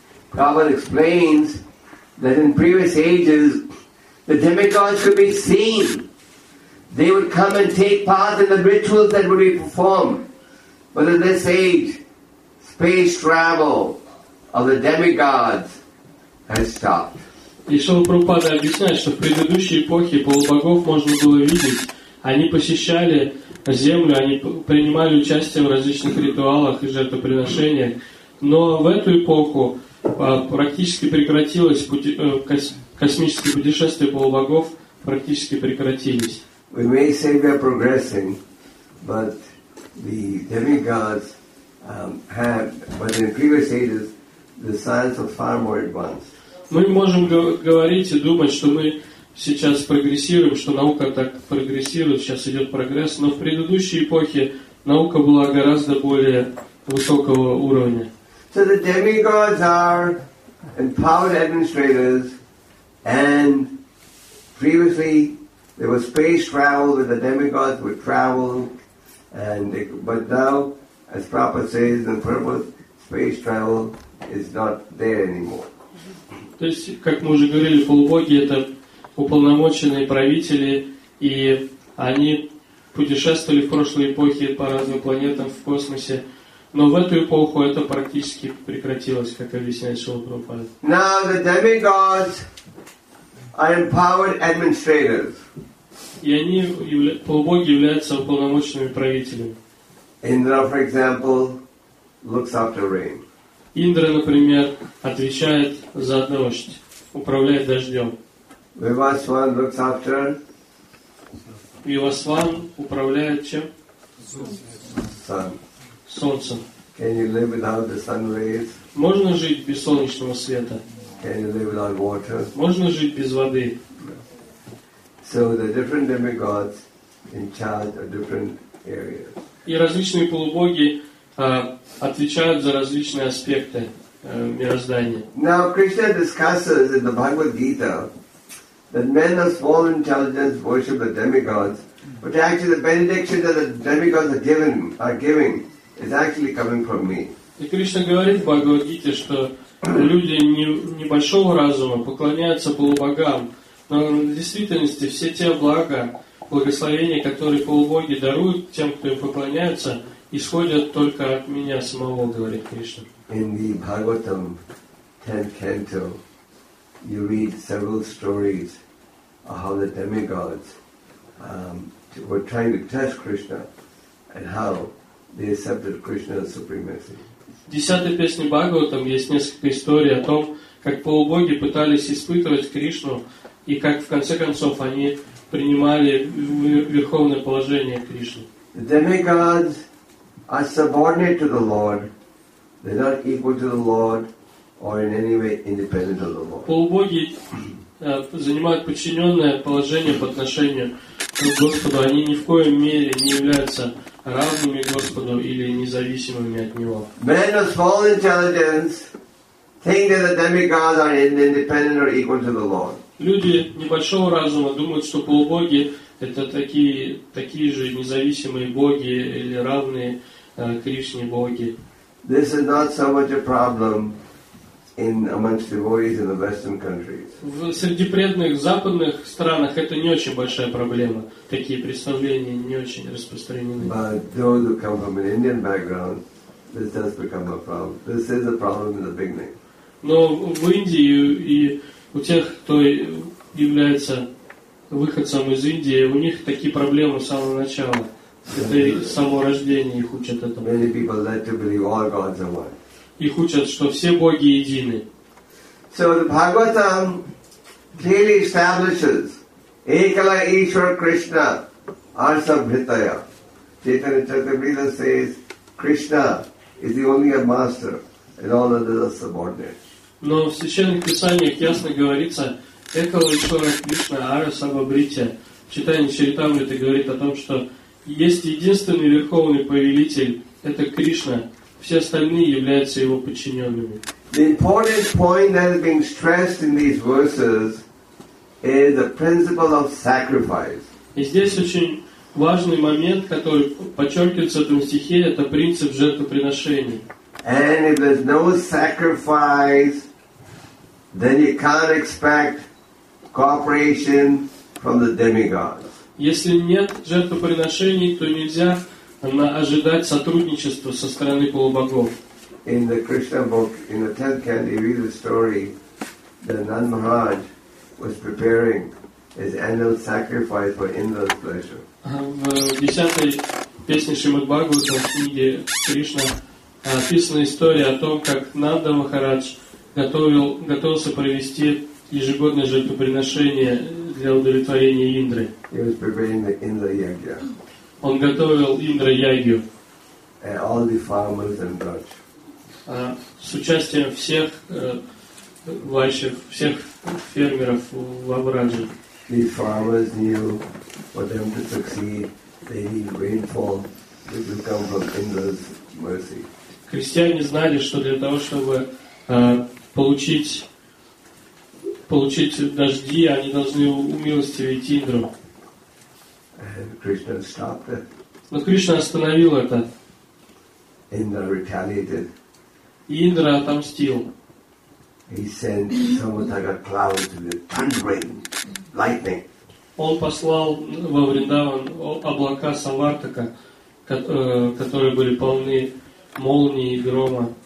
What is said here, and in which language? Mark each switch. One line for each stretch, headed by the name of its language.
English: Prabhupada explains that in previous ages, the demigods could be seen. They would come and take part in the rituals that would be performed. But in this age, space travel of the demigods has stopped.
Russian: И Шрила Прабхупада объясняет, что в предыдущей эпохе полубогов можно было видеть. Они посещали землю, они принимали участие в различных ритуалах и жертвоприношениях. Но в эту эпоху практически прекратилось космические путешествия полубогов практически прекратились.
English: We may say we are progressing, but the demigods have, but in previous ages, the science was far more advanced.
Russian: Мы можем говорить и думать, что мы сейчас прогрессируем, что наука так прогрессирует, сейчас идет прогресс, но в предыдущей эпохе наука была гораздо более высокого уровня.
English: So the demigods are empowered administrators, and previously there was space travel where the demigods would travel, and they, but now, as Prabhupada says, in the purpose, space travel is not there anymore.
Russian: То есть, как мы уже говорили, полубоги — это уполномоченные правители, и они путешествовали в прошлой эпохе по разным планетам в космосе, но в эту эпоху это практически прекратилось, как объясняет Шрила Прабхупада.
English: Now the demigods are empowered administrators.
Russian: И они, полубоги, являются уполномоченными правителями.
English: Indra, for example, looks after rain.
Russian: Индра, например, отвечает за дождь, управляет дождем.
English: Вивасван looks after.
Russian: Вивасван управляет чем?
English: Sun.
Russian: Солнцем.
English: Can you live without the sun rays?
Russian: Можно жить без солнечного света?
English: Can you live without water?
Russian: Можно жить без воды?
English: So the different demigods in charge of different areas.
Russian: И различные полубоги отвечают за различные аспекты мироздания.
English: Now Krishna discusses in the Bhagavad Gita that men of small intelligence worship the demigods, but actually the benediction that the demigods are giving is actually coming from me.
Russian: И Кришна говорит в Бхагавад Гите, что люди небольшого разума поклоняются полубогам, но в действительности все те блага, благословения, которые полубоги даруют тем, кто им поклоняется, исходят только от меня самого, говорит Кришна.
English: In the Bhagavatam, 10th canto, you read several stories of how the demigods were trying to test Krishna and how they accepted Krishna's supreme message.
Russian: В 10-й песне Бхагаватам есть несколько историй о том, как полубоги пытались испытывать Кришну и как в конце концов они принимали верховное положение Кришны.
English: The demigods are subordinate to the Lord. They're not equal to the Lord or in any way independent of the Lord.
Russian: Полубоги занимают подчиненное положение по отношению к Господу. Они ни в коей мере не являются равными Господу или независимыми от Него.
English: Men of small intelligence think that the demigods are independent or equal to the Lord.
Russian: Люди небольшого разума думают, что полубоги — это такие же независимые боги или равные Кришне боги.
English: This is not so much a problem in amongst devotees in the Western countries.
Russian: В среди преданных западных странах это не очень большая проблема. Такие представления не очень распространены.
English: But those who come from an Indian background, this does become a problem. This is a problem in the beginning.
Russian: Но в Индии и у тех, кто является выходцем из Индии, у них такие проблемы с самого начала. Это само рождение их учат этому.
English: Many people like to believe all gods are one.
Russian: Их учат, что все боги едины.
English: So the Bhagavatam clearly establishes
Sanskrit: Ekala Ishwara Krishna Arsa Bhitaya.
English: Chaitanya Charitamrita says Krishna is the only master and all others are subordinate.
Russian: Но в Священных Писаниях ясно говорится
Sanskrit: «Экала Ишвара Кришна Ара Самабрития».
Russian: Читание Чаритамриты говорит о том, что есть единственный Верховный Повелитель – это Кришна. Все остальные являются Его подчиненными.
English: The important point that is being stressed in these verses is the principle of sacrifice.
Russian: И здесь очень важный момент, который подчеркивается в этом стихе – это принцип жертвоприношения.
English: And if there's no sacrifice, then you can't expect cooperation from the demigods.
Russian: Если нет жертвоприношений, то нельзя ожидать сотрудничества со стороны полубогов.
English: In the Krishna book, in the 10th canto, you read the story that Nand Maharaj was preparing his annual sacrifice for Indra's pleasure.
Russian: В 10-й песне Шримад Бхагаватам, в книге Кришна, описана история о том, как Нанда Махарадж готовился провести ежегодное жертвоприношение для удовлетворения Индры.
English: He was preparing the Indra Yagya.
Russian: Он готовил Индра Ягью.
English: And all the farmers and Braj.
Russian: С участием всех ваших всех фермеров в Авраже.
English: These farmers knew for them to succeed, they need rainfall, which will come from Indra's mercy.
Russian: Крестьяне знали, что для того, чтобы получить дожди, они должны умилостивить Индру.
English: And Krishna stopped it.
Russian: Но Кришна остановил это.
English: Indra retaliated.
Russian: И Индра отомстил.
English: He sent someone like a cloud to the thundering lightning.
Russian: Он послал во Вриндаван облака Савартака, которые были полны молнии и грома.